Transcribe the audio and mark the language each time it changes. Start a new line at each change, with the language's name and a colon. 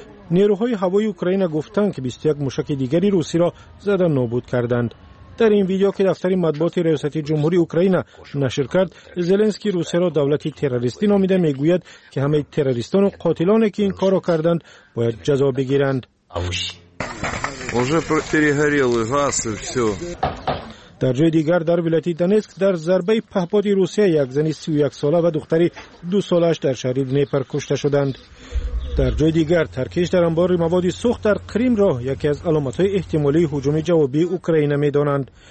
Persian: نیروهای هوایی اوکراین گفتند که 21 موشک دیگری روسی را زده نابود کردند. در این ویدیو که دفتر مطبوعات ریاست جمهوری اوکراین نشر کرد، زلنسکی روسیه را دولت تروریستی نامیده، میگوید که همه تروریستان و قاتلانی که این کار را کردند باید جزا بگیرند.
Russian: Уже перегорели газ и все.
Persian: در جای دیگر در ولایت دنسک در ضربه پهپاد روسیه یک زن 31 ساله و دختری 2 سالش در شهر نیپر کشته شدند. در جای دیگر ترکیش در انبار مواد سوخت در قریم را یکی از علامت‌های احتمالی هجوم جوابی اوکراین می‌دانند.